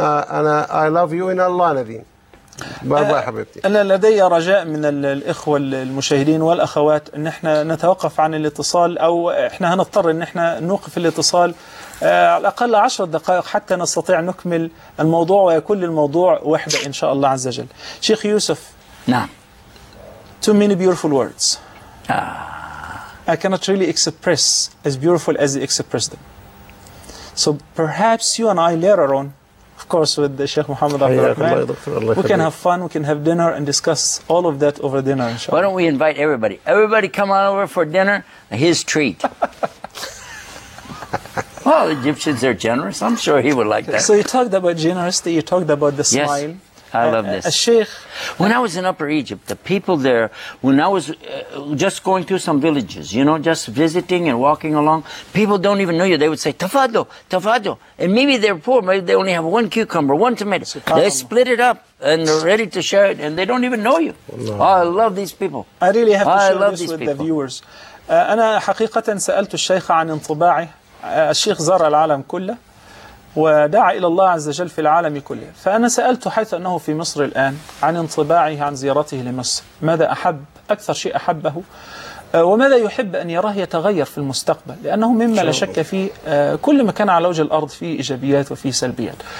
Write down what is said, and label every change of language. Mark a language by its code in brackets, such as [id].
[en] أنا I love you in Allah نادين. [ar] بابا حبيبتي، أنا لدي رجاء من الإخوة المشاهدين والأخوات أن احنا نتوقف عن الاتصال، أو احنا هنضطر أن احنا نوقف الاتصال على الأقل 10 دقائق حتى نستطيع نكمل الموضوع ويكون الموضوع وحدة إن شاء الله عز وجل. شيخ يوسف. [en] Now, too many beautiful words. I cannot really express as beautiful as they express them. So perhaps you and I later on, of course, with the Sheikh Muhammad Abdul Rahman, we can have fun, we can have dinner and discuss all of that over dinner, inshallah. Why don't we invite everybody? Everybody come on over for dinner, his treat. Well, the Egyptians are generous. I'm sure he would like that. So you talked about generosity, you talked about the yes. smile. I love this. A sheikh. When I was in Upper Egypt, the people there, when I was just going through some villages, you know, just visiting and walking along, people don't even know you. They would say, Tafadlo, Tafadlo. And maybe they're poor, maybe they only have one cucumber, one tomato. They split it up and they're ready to share it, and they don't even know you. Oh, I love these people. I really have to share this with the viewers. [ar] أنا حقيقة سألت الشيخ عن انطباعي. الشيخ زار العالم كله. ودعا إلى الله عز وجل في العالم كله، فأنا سألته حيث أنه في مصر الآن عن انطباعه عن زيارته لمصر، ماذا أحب؟ أكثر شيء أحبه وماذا يحب أن يراه يتغير في المستقبل، لأنه مما لا شك فيه كل مكان على وجه الأرض فيه إيجابيات وفيه سلبيات.